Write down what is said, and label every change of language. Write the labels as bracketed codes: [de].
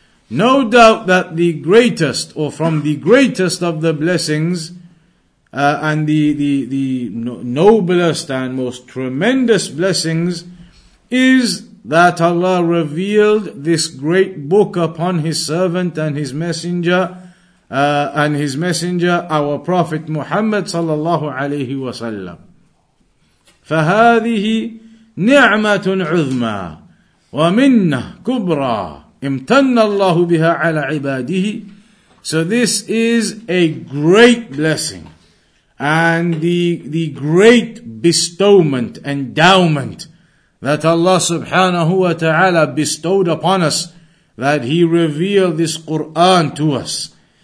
[en] No doubt that the greatest, or from the greatest of the blessings, and the noblest and most tremendous blessings is that Allah revealed this great book upon His servant and His messenger, our Prophet Muhammad sallallahu alayhi wa sallam. [ar] فهذه نعمة عظمى ومنة كبرى امتن الله بها على عباده. [en] So this is a great blessing and the great bestowment, endowment that Allah subhanahu wa ta'ala bestowed upon us, that He revealed this Qur'an to us.